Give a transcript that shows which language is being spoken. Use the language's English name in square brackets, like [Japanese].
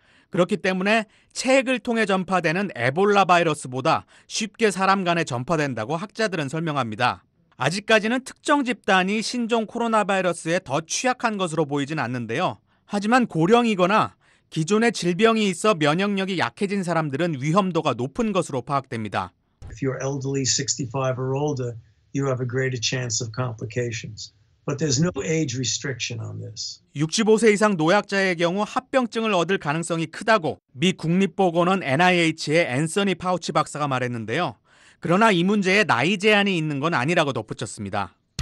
[Korean] 그렇기 때문에 체액을 통해 전파되는 에볼라 바이러스보다 쉽게 사람 간에 전파된다고 학자들은 설명합니다. 아직까지는 특정 집단이 신종 코로나 바이러스에 더 취약한 것으로 보이진 않는데요. 하지만 고령이거나 기존의 질병이 있어 면역력이 약해진 사람들은 위험도가 높은 것으로 파악됩니다. [English] If you're elderly 65 or older, you have a greater chance of complications. But there's no age restriction on this. [Korean] 65세 이상 노약자의 경우 합병증을 얻을 가능성이 크다고 미 국립보건원 NIH의 앤서니 파우치 박사가 말했는데요. 그러나 이 문제에 나이 제한이 있는 건 아니라고 덧붙였습니다.